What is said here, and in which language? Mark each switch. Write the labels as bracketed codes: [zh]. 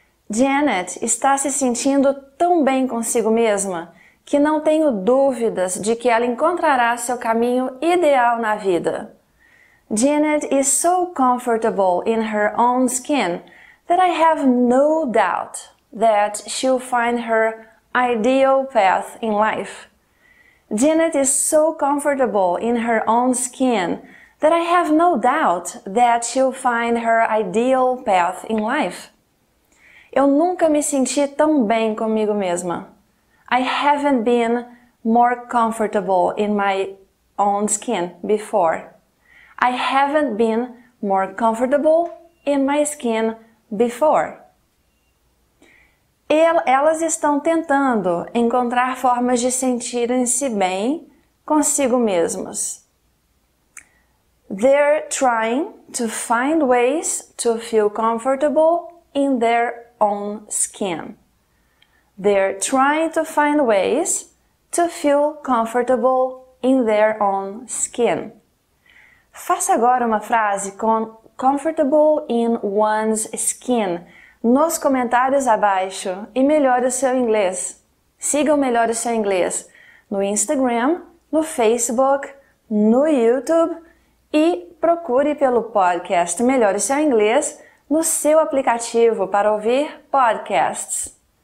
[pt] Janet está se sentindo tão bem consigo mesma que não tenho dúvidas de que ela encontrará seu caminho ideal na vida. [en] Janet is so comfortable in her own skin that I have no doubt that she'll find her ideal path in life. Janet is so comfortable in her own skin that I have no doubt that she'll find her ideal path in life. [pt] Eu nunca me senti tão bem comigo mesma. [en] I haven't been more comfortable in my own skin before. I haven't been more comfortable in my skin before. [pt] Elas estão tentando encontrar formas de sentirem-se bem consigo mesmas. [en] They're trying to find ways to feel comfortable in their own skin. They're trying to find ways to feel comfortable in their own skin. [pt] Faça agora uma frase com [en] comfortable in one's skin [pt] nos comentários abaixo e melhore o seu inglês. Siga o Melhore o Seu Inglês no Instagram, no Facebook, no YouTube e procure pelo podcast Melhore o Seu Inglês no seu aplicativo para ouvir podcasts.